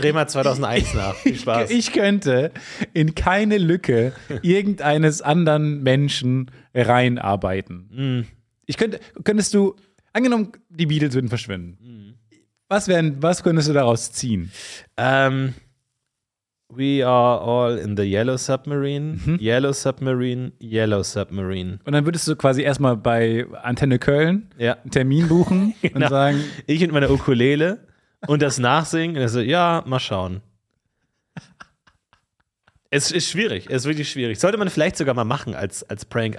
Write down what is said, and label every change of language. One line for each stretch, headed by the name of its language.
German: dreh mal 2001 nach. Viel Spaß. Ich könnte in keine Lücke irgendeines anderen Menschen reinarbeiten. Mhm. Angenommen, die Beatles würden verschwinden. Mhm. Was könntest du daraus ziehen?
English: We are all in the yellow submarine. Mhm. Yellow submarine, yellow submarine.
German: Und dann würdest du quasi erstmal bei Antenne Köln einen Termin buchen und sagen: Ich und meine Ukulele und das nachsingen. Und er so: Ja, mal schauen. Es ist schwierig, es ist wirklich schwierig. Sollte man vielleicht sogar mal machen als Prank.